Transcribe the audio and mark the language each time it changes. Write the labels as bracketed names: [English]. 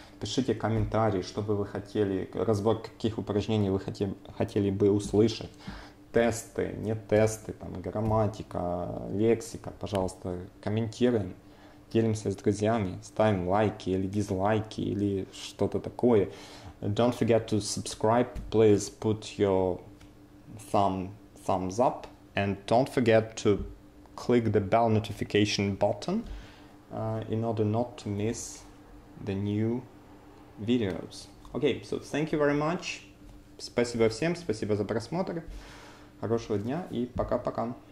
[Russian] Пишите комментарии, что бы вы хотели, разбор каких упражнений вы хотели бы услышать. Тесты, не тесты, там, грамматика, лексика. Пожалуйста, комментируем. Делимся с друзьями. Ставим лайки или дизлайки, или что-то такое. [English] Don't forget to subscribe, please put your thumbs up, and don't forget to click the bell notification button in order not to miss the new videos. Okay, so thank you very much. [Russian] Спасибо всем, спасибо за просмотр. Хорошего дня и пока-пока.